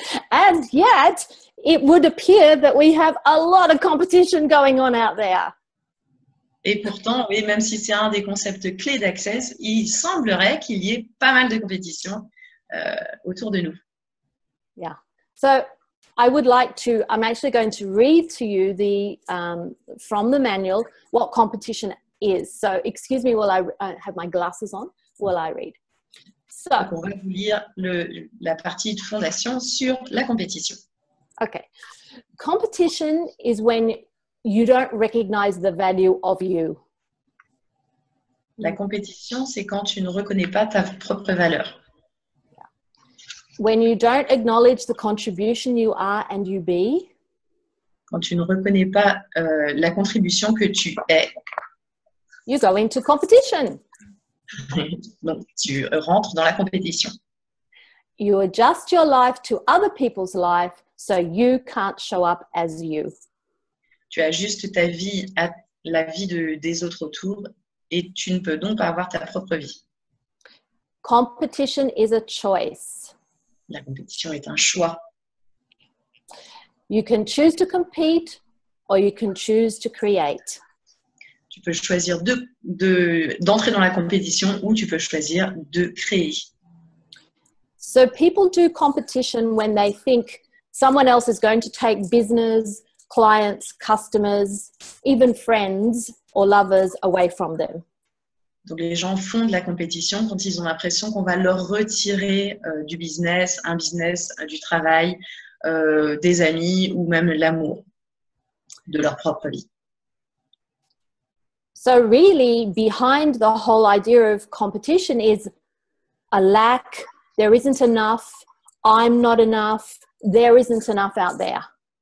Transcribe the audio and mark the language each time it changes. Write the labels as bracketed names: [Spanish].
[English] And yet, it would appear that we have a lot of competition going on out there. [French] Et pourtant, oui, même si c'est un des concepts clés d'Access, il semblerait qu'il y ait pas mal de compétition autour de nous. [English] Yeah. So I would like to, I'm actually going to read to you the from the manual what competition is. So excuse me while I have my glasses on while I read. [French] So, donc on va vous lire la partie de fondation sur la compétition. [English] Okay. Competition is when you don't recognize the value of you. [French] La compétition, c'est quand tu ne reconnais pas ta propre valeur. [English] Yeah. When you don't acknowledge the contribution you are and you be. [French] Quand tu ne reconnais pas la contribution que tu es. [English] You go into competition. [French] Donc, tu rentres dans la compétition. [English] You adjust your life to other people's life so you can't show up as you. [French] Tu ajustes ta vie à la vie des autres autour et tu ne peux donc pas avoir ta propre vie. [English] Competition is a choice. [French] La compétition est un choix. [English] You can choose to compete or you can choose to create. [French] Tu peux choisir d'entrer dans la compétition ou tu peux choisir de créer. [English] So people do competition when they think someone else is going to take business, clients, customers, even friends or lovers away from them. [French] Donc les gens font de la compétition quand ils ont l'impression qu'on va leur retirer du business, un business, du travail, des amis ou même l'amour de leur propre vie. [English] So really, behind the whole idea of competition is a lack. There isn't enough. I'm not enough. There isn't enough out there.